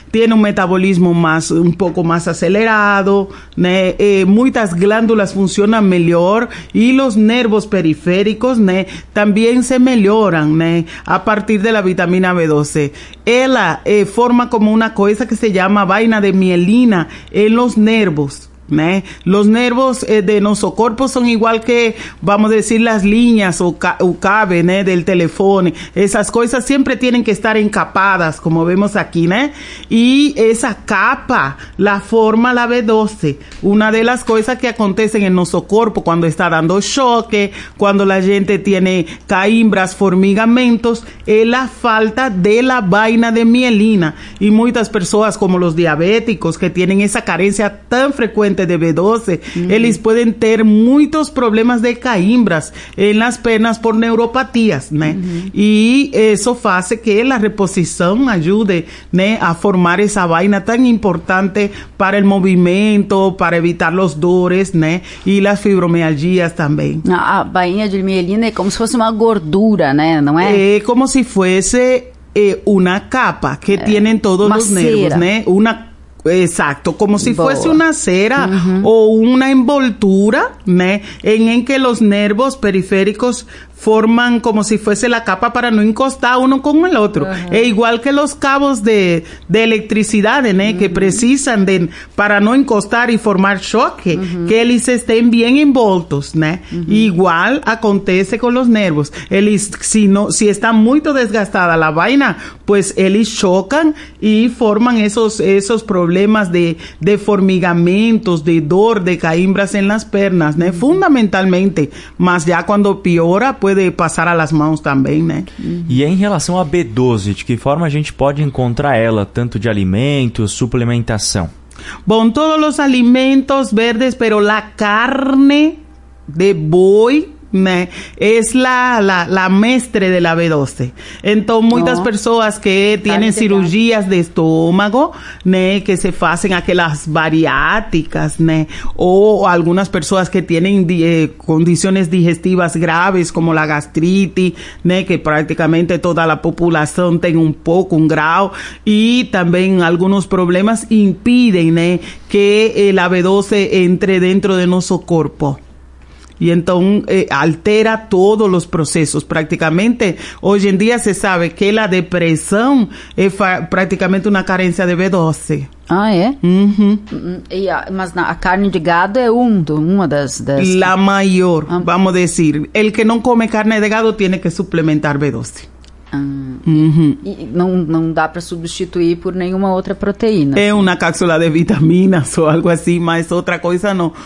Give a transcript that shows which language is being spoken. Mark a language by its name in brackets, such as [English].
[Portuguese] Tem um metabolismo mais, um pouco mais acelerado, né? Muitas glândulas funcionam melhor e os nervos periféricos, né, também se melhoram, né, a partir da vitamina B12. Ela forma como uma coisa que se chama vaina de mielina em los nervos. ¿Né? [Spanish] Los nervios de nuestro cuerpo son igual que, vamos a decir, las líneas o cable, ¿né?, del teléfono. Esas cosas siempre tienen que estar encapadas, como vemos aquí, ¿né? Y esa capa la forma la B12. Una de las cosas que acontecen en nuestro cuerpo cuando está dando choque, cuando la gente tiene caimbras, formigamentos, es la falta de la vaina de mielina. Y muchas personas, como los diabéticos, que tienen esa carencia tan frecuente de B12, [Portuguese] eles podem ter muitos problemas de caimbras em las pernas por neuropatias, né? E isso faz que a reposição ajude, né, a formar essa vaina tão importante para o movimento, para evitar os dores, né? E as fibromialgias também. A vaina de mielina é como se fosse uma gordura, né? Não é? É como se fosse uma capa que tienen todos os nervos, né? [Spanish] Uma exacto, como si fuese una cera o una envoltura, ¿né?, en que los nervios periféricos forman como si fuese la capa para no encostar uno con el otro. Uh-huh. E igual que los cabos de electricidad, ¿eh?, que precisan de para no encostar y formar choque, que ellos estén bien envueltos, ¿eh? Igual acontece con los nervios. Ellos, si está muy desgastada la vaina, pues ellos chocan y forman esos problemas de formigamentos, de dor, de caimbras en las piernas, ¿eh? Fundamentalmente, más ya cuando piora, [Portuguese] pode passar às mãos também, né? E em relação à B12, de que forma a gente pode encontrar ela, tanto de alimento, suplementação? Bom, todos os alimentos verdes, pero la carne de boi, né, é la mestre de la B12. Então, muitas pessoas que têm cirurgias de estômago, né, que se fazem aquelas bariátricas, né, ou algumas pessoas que têm condições digestivas graves, como a gastrite, né, que praticamente toda a população tem um pouco, um grau, e também alguns problemas impedem, né, que a B12 entre dentro de nosso corpo. [Spanish] Y entonces altera todos los procesos. Prácticamente hoy en día se sabe que la depresión es prácticamente una carencia de B12. [Portuguese] Ah, é? Uhum. Mas a carne de gado é uma das... La maior, vamos dizer. El que não come carne de gado tem que suplementar B12. E não dá para substituir por nenhuma outra proteína. É uma cápsula de vitaminas ou algo assim, mas outra coisa não.